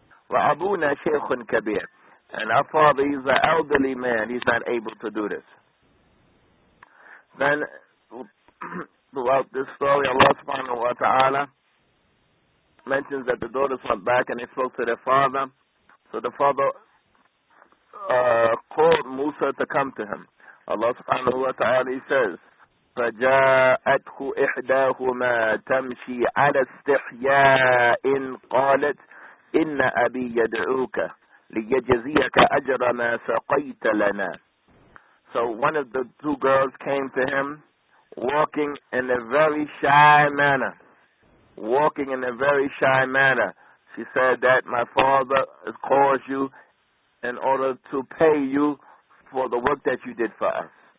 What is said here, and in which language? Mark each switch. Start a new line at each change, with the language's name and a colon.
Arabic: وأبونا شيخ كبير,
English: and our father is an elderly man, he's not able to do this. Then throughout this story, Allah subhanahu wa ta'ala mentions that the daughters went back and they spoke to their father. So the father called Musa to come to him.
Arabic: Allah subhanahu wa ta'ala,
English: he says,
Arabic: فَجَاءَتْهُ إِحْدَاهُمَا تَمْشِي عَلَى اسْتِحْيَاءٍ قَالَتْ إِنَّ أَبِي يَدْعُوكَ لِيَجَزِيَكَ أَجْرَ مَا سَقَيْتَ لَنَا.
English: So one of the two girls came to him walking in a very shy manner. Walking in a very shy manner. She said that my father has called you in order to pay you for the work that you did for us.